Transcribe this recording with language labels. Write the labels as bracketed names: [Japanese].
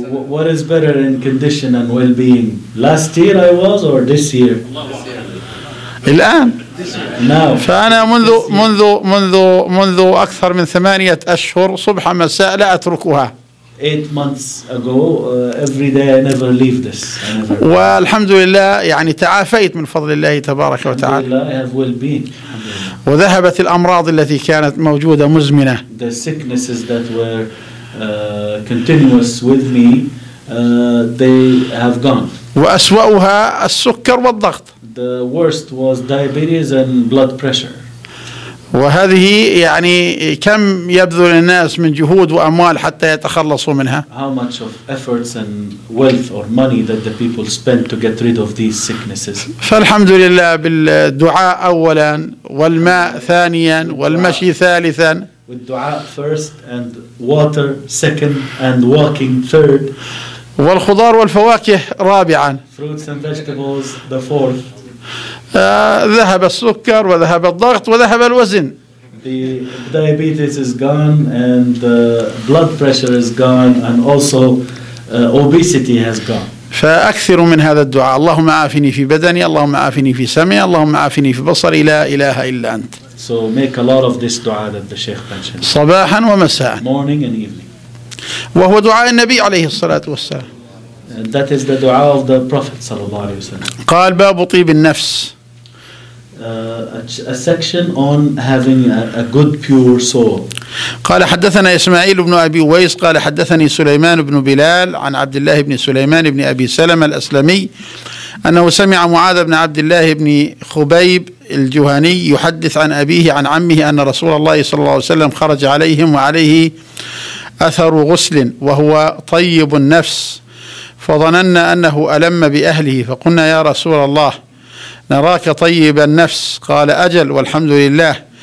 [English] What is better in condition and well-being? Last year I was or this year? [Arabic] الآن. [English] Now. [Arabic] فأنا منذ منذ منذ منذ أكثر من ثمانية أشهر صبح مساء لا أتركها. [English] 8 months ago, every day I never leave this. [Arabic] والحمد لله يعني تعافيت من فضل الله تبارك وتعالى. [English] Alhamdulillah, I have well-being. [Arabic] وذهبت الأمراض التي كانت موجودة مزمنة. [English] The sicknesses that were continuous with me they have gone. [Arabic] وأسوأها السكر والضغط. [English] The worst was diabetes and blood pressure. [Arabic] وهذه يعني كم يبذل الناس من جهود وأموال حتى يتخلصوا منها. [English] How much of efforts and wealth or money that the people spend to get rid of these sicknesses. [Arabic] فالحمد لله بالدعاء أولا والماء ثانيا والمشي ثالثا. [English] With dua first and water second and walking third. [Arabic] والخضار والفواكه رابعا. [English] Fruits and vegetables the fourth. [Arabic] ذهب السكر وذهب الضغط وذهب الوزن. [English] The diabetes is gone and the blood pressure is gone and also obesity has gone. [Arabic] فأكثر من هذا الدعاء اللهم عافني في بدني اللهم عافني في سمعي اللهم عافني في بصري لا إله إلا أنت. [English] So make a lot of this dua that the Sheikh mentioned. [Arabic] صباحا ومساء. [English] Morning and evening. [Arabic] وهو دعاء النبي عليه الصلاة والسلام. [English] And that is the dua of the Prophet [Arabic] صلى الله عليه وسلم. قال باب طيب النفس. [English] A section on having a good pure soul. [Arabic] قال حدثنا إسماعيل بن أبي ويس قال حدثني سليمان بن بلال عن عبد الله بن سليمان بن أبي سلمة الأسلمي أنه سمع معاذ بن عبد الله بن خبيب الجهني يحدث عن أبيه عن عمه أن رسول الله صلى الله عليه وسلم خرج عليهم وعليه أثر غسل وهو طيب النفس فظننا أنه ألم بأهله فقلنا يا رسول الله نراك طيب النفس قال أجل والحمد لله